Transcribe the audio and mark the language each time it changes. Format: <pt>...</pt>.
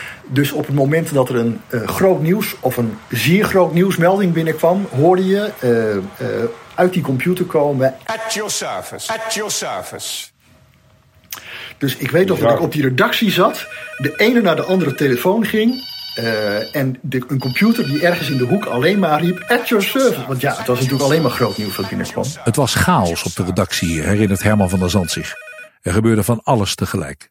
<nl>Dus op het moment dat er een groot nieuws of een zeer groot nieuwsmelding binnenkwam, hoorde je uit die computer komen:</nl> <en>at your service, at your service.</en> <nl>Dus ik weet nog dat ik op die redactie zat, de ene naar de andere telefoon ging. Een computer die ergens in de hoek alleen maar riep,</nl> <en>at your service.</en> <nl>Want ja, het was natuurlijk alleen maar groot nieuws dat binnenkwam. Het was chaos op de redactie, herinnert Herman van der Zand zich. Er gebeurde van alles tegelijk.</nl>